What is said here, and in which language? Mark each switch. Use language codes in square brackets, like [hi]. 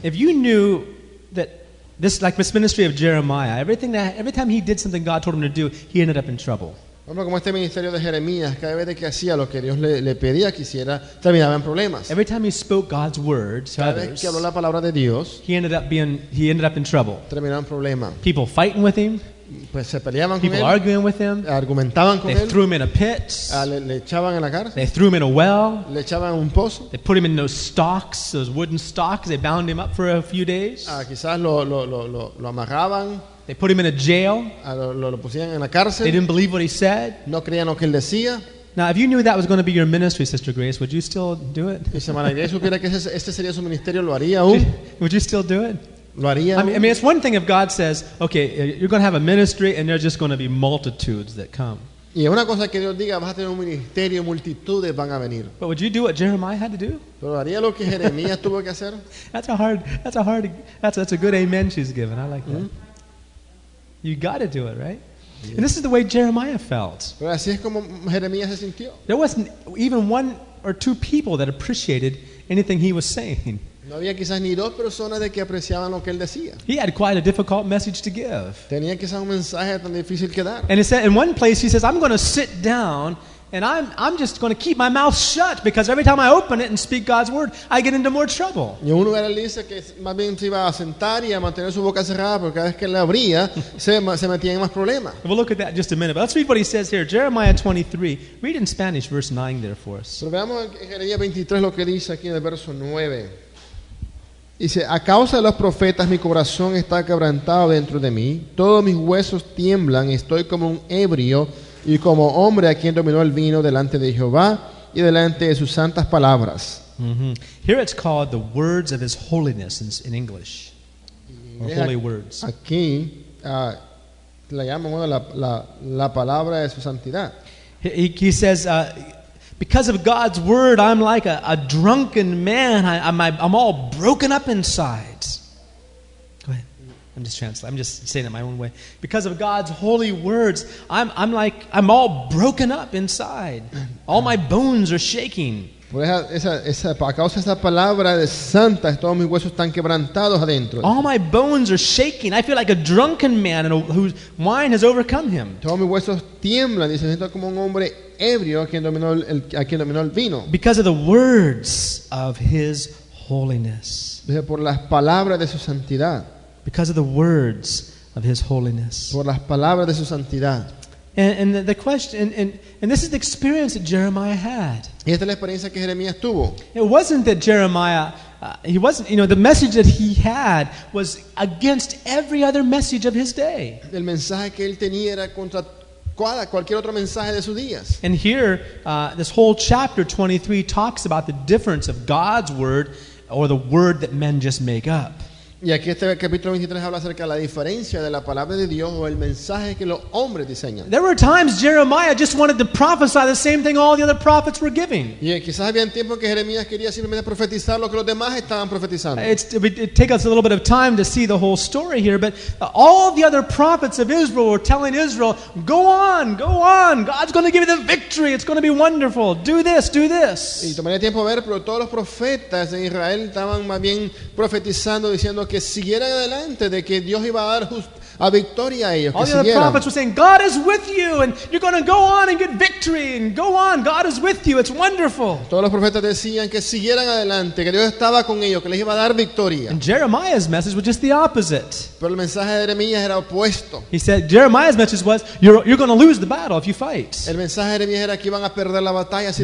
[en] If you knew that this, like this ministry of Jeremiah, every time he did something God told him to do, he ended up in trouble. [es] Bueno, como este ministerio de Jeremías, cada vez que hacía lo que Dios le pedía que hiciera, terminaba en problemas. [en] Every time he spoke God's word to others, [es] cada vez que habló la palabra de Dios, [en] he ended up in trouble. [es] Terminaba en problemas. [en] People fighting with him. [es] Pues se peleaban [en] people [es] con él, [en] arguing with him. [es] Argumentaban con [en] they [es] él. [en] Threw him in a pit. [es] Le echaban en la cárcel. [en] They threw him in a well. [es] Le echaban en un pozo. [en] They put him in those stocks, those wooden stocks. They bound him up for a few days. [es] Quizás lo amarraban. [en] They put him in a jail. [es] Lo pusieron en la cárcel. [en] They didn't believe what he said. [es] No creían lo que él decía. [en] Now, if you knew that was going to be your ministry, Sister Grace, would you still do it? [es] Si hermana Grace supiera que este sería su ministerio, ¿lo haría aún? [en] Would you still do it? I mean, it's one thing if God says, okay, you're going to have a ministry and there's just going to be multitudes that come. [es] Y una cosa que Dios diga, vas a tener un ministerio, multitudes van a venir. [en] But would you do what Jeremiah had to do? [es] ¿Pero haría lo que Jeremías tuvo que hacer? [en] That's a good amen she's given. I like that. Mm-hmm. You got to do it, right? Yeah. And this is the way Jeremiah felt. [es] Pero así es como Jeremías se sintió. [en] There wasn't even one or two people that appreciated anything he was saying. [es] No había quizás ni dos personas de que apreciaban lo que él decía. [en] He had quite a difficult message to give. [es] Tenía quizás un mensaje tan difícil que dar. [en] And he said, in one place he says, I'm going to sit down And I'm just going to keep my mouth shut because every time I open it and speak God's word, I get into more trouble. [es] Y uno era dice que más bien se iba a sentar y a mantener su boca cerrada porque cada vez que la abría se metía en más problemas. [en] We'll look at that in just a minute. But let's read what he says here, Jeremiah 23. Read in Spanish, verse 9, there for us. [es] Pero veamos en Jeremías 23 lo que dice aquí en el verso 9. Dice: a causa de los profetas, mi corazón está quebrantado dentro de mí; todos mis huesos tiemblan; estoy como un ebrio y como hombre a quien dominó el vino delante de Jehová y delante de sus santas palabras. Mm-hmm. [en] Here it's called the words of his holiness in English. Or holy words. [es] Aquí la llaman la palabra de su santidad. [en] He says, because of God's word, I'm like a drunken man. I'm all broken up inside. I'm just saying it my own way. Because of God's holy words, I'm all broken up inside. All my bones are shaking. [es] Por esa por causa de esa palabra de santa, todos mis huesos están quebrantados adentro. [en] All my bones are shaking. I feel like a drunken man whose wine has overcome him. [es] Todos mis huesos tiemblan y se siento como un hombre ebrio a quien dominó el vino. [en] Because of the words of his holiness. [es] Dice, por las palabras de su santidad. [en] Because of the words of his holiness. [es] Por las palabras de su santidad. [en] And the question, and this is the experience that Jeremiah had. [es] Y esta es la experiencia que Jeremías tuvo. [en] It wasn't that Jeremiah, he wasn't, you know, the message that he had was against every other message of his day. [es] El mensaje que él tenía era contra cualquier otro mensaje de sus días. [en] And here, this whole chapter 23 talks about the difference of God's word or the word that men just make up. [es] Y aquí este capítulo 23 habla acerca de la diferencia de la palabra de Dios o el mensaje que los hombres diseñan. [en] There were times Jeremiah just wanted to prophesy the same thing all the other prophets were giving. [es] Y quizás había tiempos que Jeremías quería simplemente profetizar lo que los demás estaban profetizando. [en] It takes us a little bit of time to see the whole story here, but all the other prophets of Israel were telling Israel, go on, go on, God's going to give you the victory, it's going to be wonderful, do this, do this. [es] Y tomaría tiempo a ver, pero todos los profetas en Israel estaban más bien profetizando, diciendo que siguieran adelante, de que Dios iba a dar a victoria a ellos, que siguieran. [en] All the other prophets were saying, God is with you and you're going to go on and get victory and go on, God is with you, it's wonderful. [es] Todos los profetas decían que siguieran adelante, que Dios estaba con ellos, que les iba a dar victoria. [en] And Jeremiah's message was just the opposite. [es] Pero el mensaje de Jeremías era opuesto. [en] He said, Jeremiah's message was, you're going to lose the battle if you fight. [es] El mensaje de Jeremías era que iban a perder la batalla si